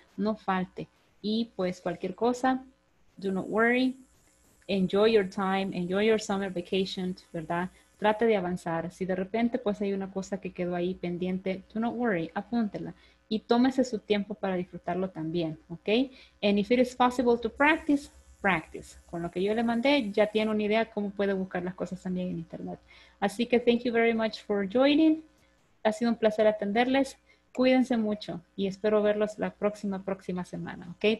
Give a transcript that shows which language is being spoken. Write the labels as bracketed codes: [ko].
[es] No falte. Y pues cualquier cosa, [en] do not worry. Enjoy your time. Enjoy your summer vacation, ¿verdad? [es] Trate de avanzar. Si de repente pues hay una cosa que quedó ahí pendiente, [en] do not worry, [es] apúntela. Y tómese su tiempo para disfrutarlo también, ¿ok? [en] And if it is possible to practice, practice. [es] Con lo que yo le mandé, ya tiene una idea cómo puede buscar las cosas también en internet. Así que [en] thank you very much for joining. [es] Ha sido un placer atenderles. Cuídense mucho y espero verlos la próxima semana, ¿ok?